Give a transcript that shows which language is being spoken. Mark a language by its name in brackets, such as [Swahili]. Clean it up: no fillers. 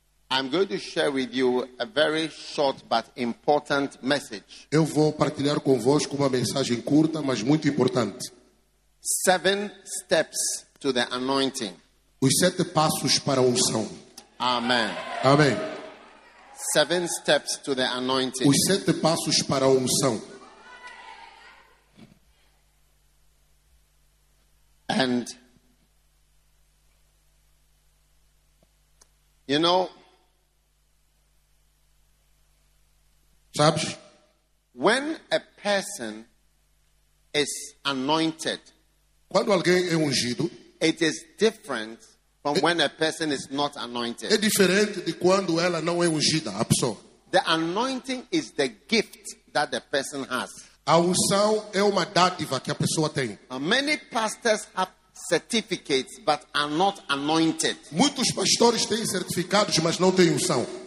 [English] I'm going to share with you a very short but important message. [Portuguese] Eu vou partilhar convosco uma mensagem curta, mas muito importante. [English] 7 steps to the anointing. [Portuguese] Os 7 passos para a unção. [English] Amen. [Portuguese] Amém. [English] 7 steps to the anointing. [Portuguese] Os 7 passos para a unção. [English] And you know, [Portuguese] sabes? [English] When a person is anointed, [Portuguese] quando alguém é ungido, [English] it is different from when a person is not anointed. [Portuguese] É diferente de quando ela não é ungida, a pessoa. [English] The anointing is the gift that the person has. [Portuguese] A unção é uma dádiva que a pessoa tem. [English] Many pastors have certificates but are not anointed. [Portuguese] Muitos pastores têm certificados, mas não têm unção.